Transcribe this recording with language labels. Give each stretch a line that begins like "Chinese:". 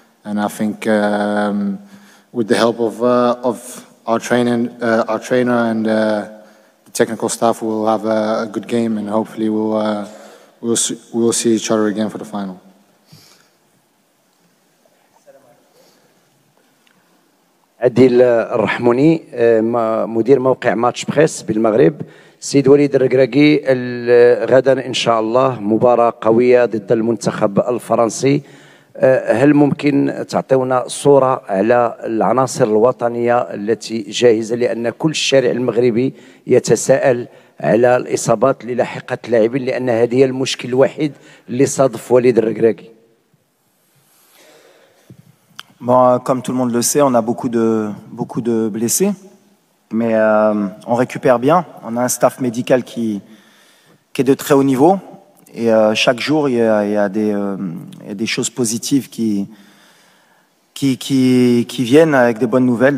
English: And I think with the help of our training, our trainer and the technical staff, we'll have a good game, and hopefully we'll see each other again for the final.
Arabic: عادل الرحموني مدير موقع ماتش بريس بالمغرب. سيد وليد الرقراقي، غدا ان شاء الله مباراه قويه ضد المنتخب الفرنسي، هل ممكن تعطيونا صوره على العناصر الوطنيه التي جاهزه؟ لان كل الشارع المغربي يتساءل على الاصابات اللي لاحقت اللاعبين، لان هذه هي المشكل الوحيد اللي صادف وليد الرقراقي.
French: Bon, comme tout le monde le sait, on a beaucoup de blessés, mais on récupère bien. On a un staff médical qui est de très haut niveau, et chaque jour il y a des choses positives qui viennent avec des bonnes nouvelles.